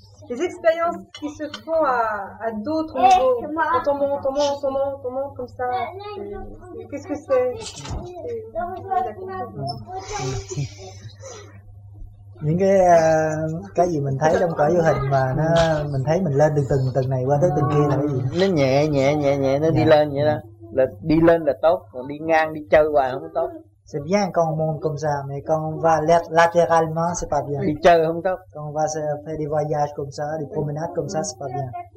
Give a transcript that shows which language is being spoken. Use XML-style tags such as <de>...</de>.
<fr>Les expériences qui se font à d'autres niveaux, quand on monte comme ça, qu'est-ce que c'est?</fr> <vi>Những cái gì mình thấy trong cõi vô hình mà nó mình thấy mình lên được từng này qua tới từng kia là cái gì? Nó nhẹ nó đi lên vậy đó. Là đi lên là tốt, còn đi ngang đi chơi hoài không tốt.</vi> <fr>C'est bien quand on monte comme ça, mais quand on va latéralement, c'est pas bien.</fr> <vi>Đi chơi không tốt.</vi> <fr>Quand on va faire des voyages comme ça, des promenades comme ça, c'est pas bien.</fr>